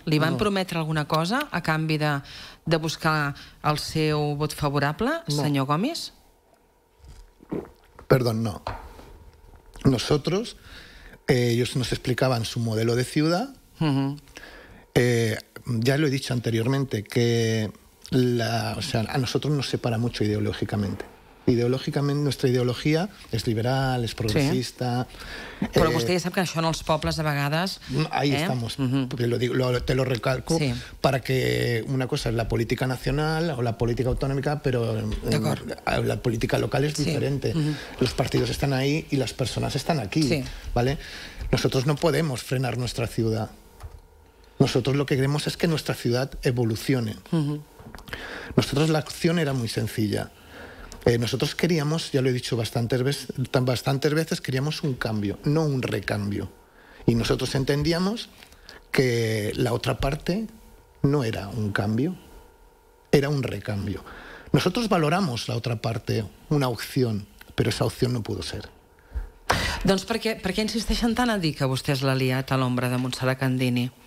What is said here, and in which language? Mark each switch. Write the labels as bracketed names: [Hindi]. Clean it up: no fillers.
[Catalan] Li van prometre alguna cosa a canvi de buscar el seu vot favorable, senyor Gomis? [Spanish] Perdón, no. Nosotros, ellos nos explicaban su modelo de ciudad. Ya lo he dicho anteriormente, que a nosotros nos separa mucho ideológicamente. [Catalan] Ideològicament, nostra ideologia és liberal, és progressista... Sí. Però vostè ja sap que això en els pobles, a vegades... [Spanish] Ahí estamos, te lo recalco, sí. Para que una cosa es la política nacional o la política autonómica, pero la política local es diferente. Los partidos están ahí y las personas están aquí, sí. ¿Vale? Nosotros no podemos frenar nuestra ciudad. Nosotros lo que queremos es que nuestra ciudad evolucione. Nosotros la acción era muy sencilla. Nosotros queríamos, ya lo he dicho bastantes veces, queríamos un cambio, no un recambio. Y nosotros entendíamos que la otra parte no era un cambio, era un recambio. Nosotros valoramos la otra parte, una opción, pero esa opción no pudo ser. [Catalan] Doncs per què insisteixen tant a dir que vostè és l'aliat a l'ombra de Montserrat Candini?